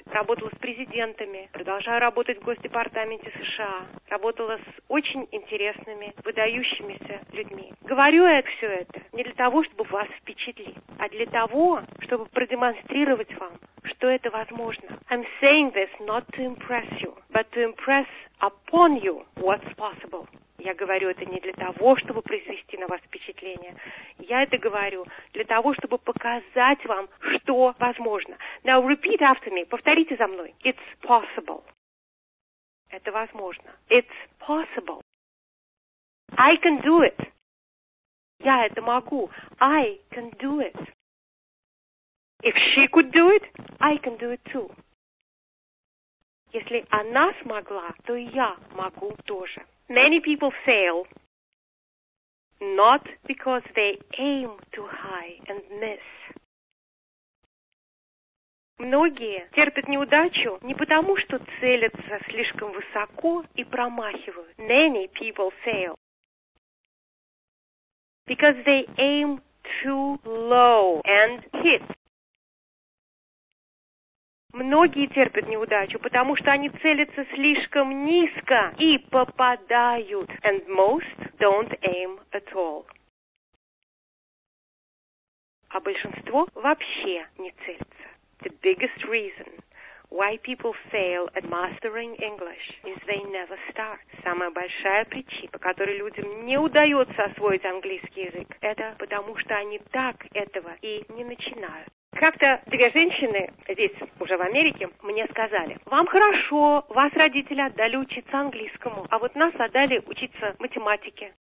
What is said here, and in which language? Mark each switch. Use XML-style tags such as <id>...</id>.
<ru>Работала с президентами, продолжаю работать в Госдепартаменте США, работала с очень интересными, выдающимися людьми. Говорю я все это не для того, чтобы вас впечатлить, а для того, чтобы продемонстрировать вам, что это возможно.</ru> <en>I'm saying this not to impress you, but to impress upon you what's possible.</en> <ru>Я говорю это не для того, чтобы произвести на вас впечатление. Я это говорю для того, чтобы показать вам, что возможно.</ru> <en>Now repeat after me.</en> <ru>Повторите за мной.</ru> <en>It's possible.</en> <ru>Это возможно.</ru> <en>It's possible. I can do it.</en> <ru>Я это могу.</ru> <en>I can do it. If she could do it, I can do it too.</en> <ru>Если она смогла, то я могу тоже.</ru> <en>Many people fail not because they aim too high and miss.</en> <ru>Многие терпят неудачу не потому, что целятся слишком высоко и промахивают.</ru> <en>Many people fail because they aim too low and hit.</en> <ru>Многие терпят неудачу, потому что они целятся слишком низко и попадают.</ru> <en>And most don't aim at all.</en> <ru>А большинство вообще не целятся.</ru> <en>The biggest reason why people fail at mastering English is they never start.</en> <ru>Самая большая причина, по которой людям не удается освоить английский язык, это потому что они так этого и не начинают. Как-то две женщины здесь, уже в Америке, мне сказали: «Вам хорошо, вас родители отдали учиться английскому, а вот нас отдали учиться математике».</ru>